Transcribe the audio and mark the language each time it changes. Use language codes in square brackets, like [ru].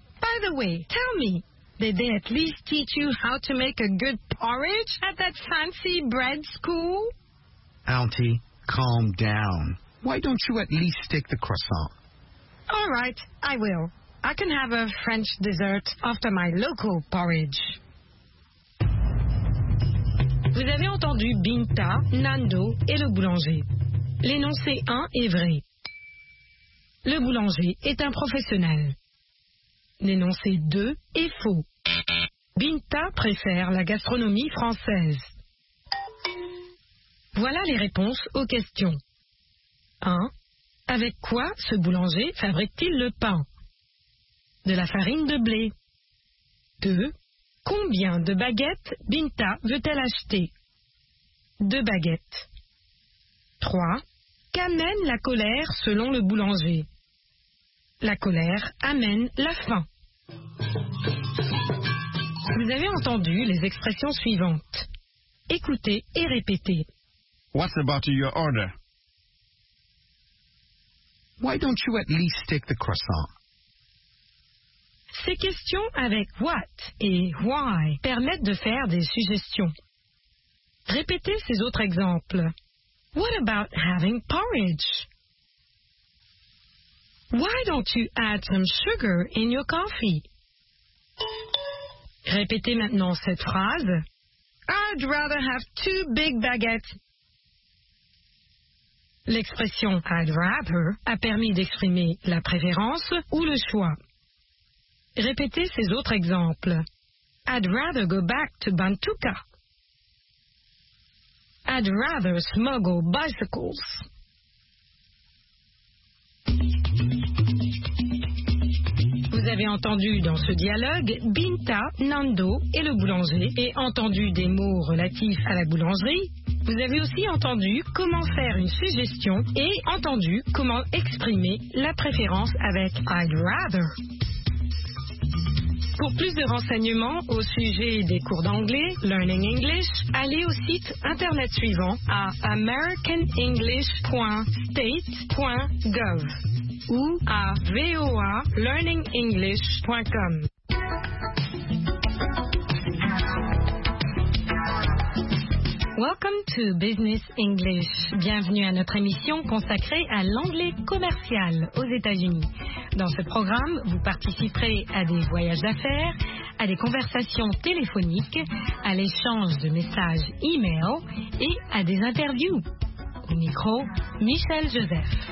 [en] By the way, tell me, did they at least teach you how to make a good porridge at that fancy bread school? Auntie, calm down. Why don't you at least take the croissant? All right, I will. I can have a French dessert after my local porridge. [fr] Vous avez entendu Binta, Nando et le boulanger. L'énoncé 1 est vrai. Le boulanger est un professionnel. L'énoncé 2 est faux. Binta préfère la gastronomie française. Voilà les réponses aux questions. 1. Avec quoi ce boulanger fabrique-t-il le pain? De la farine de blé. 2. Combien de baguettes Binta veut-elle acheter? 2 baguettes. 3. Qu'amène la colère selon le boulanger? La colère amène la faim. Vous avez entendu les expressions suivantes. Écoutez et répétez. [en] What about your order? Why don't you at least take the croissant? [fr] Ces questions avec what et why permettent de faire des suggestions. Répétez ces autres exemples. [en] What about having porridge? Why don't you add some sugar in your coffee? [fr] Répétez maintenant cette phrase. [en] I'd rather have 2 big baguettes. [fr] L'expression [en] I'd rather [fr] a permis d'exprimer la préférence ou le choix. Répétez ces autres exemples. [en] I'd rather go back to Bantuka. I'd rather smuggle bicycles. [fr] Vous vous avez entendu dans ce dialogue, Binta, Nando et le boulanger, et entendu des mots relatifs à la boulangerie, vous avez aussi entendu comment faire une suggestion et entendu comment exprimer la préférence avec [en] I'd rather. [fr] Pour plus de renseignements au sujet des cours d'anglais, Learning English, allez au site internet suivant à americanenglish.state.gov ou à voalearningenglish.com. [en] Welcome to Business English. [fr] Bienvenue à notre émission consacrée à l'anglais commercial aux États-Unis. Dans ce programme, vous participerez à des voyages d'affaires, à des conversations téléphoniques, à l'échange de messages e-mail et à des interviews. Au micro, Michel Joseph.